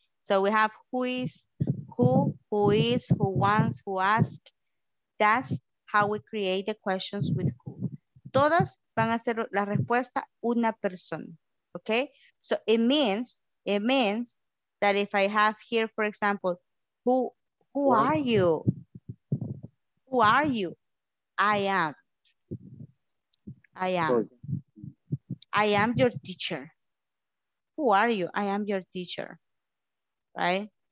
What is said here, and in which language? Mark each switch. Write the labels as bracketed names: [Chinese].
[English] So we have who is, who wants, who asks. That's how we create the questions with who. [Spanish] Todas van a ser la respuesta una persona. [English] Okay? So it means that if I have here, for example, who are you? Who are you? I am. I am. I am your teacher. Who are you? I am your teacher. Right?